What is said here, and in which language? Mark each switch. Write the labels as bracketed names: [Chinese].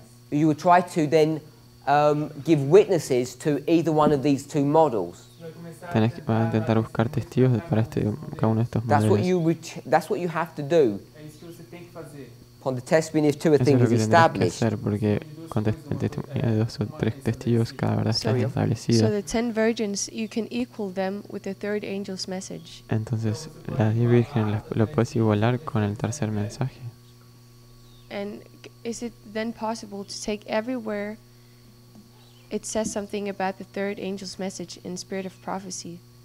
[English] you would try to then give witnesses to either one of these two models. [Spanish] Va a intentar buscar testigos para cada uno de estos modelos. [English] That's what you have to do. Upon the testimony of two, a thing is established. [Spanish] Porque con testimonio de dos o tres testigos, cada verdad está establecida. [English] So the 10 virgins, you can equal them with the third angel's message. [Spanish] Entonces, las 10 vírgenes lo puedes igualar con el tercer mensaje. [English] And is it then possible to take everywhere it says something about the third angel's message in spirit of prophecy?